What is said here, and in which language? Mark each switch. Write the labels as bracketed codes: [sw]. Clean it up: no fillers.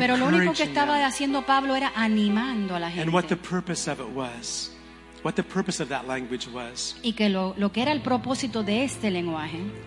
[es] Pero lo único que estaba haciendo Pablo era animando a la gente. [en] And what the purpose of it was, what the purpose of that language was. [es] Y que lo que era el propósito de este lenguaje.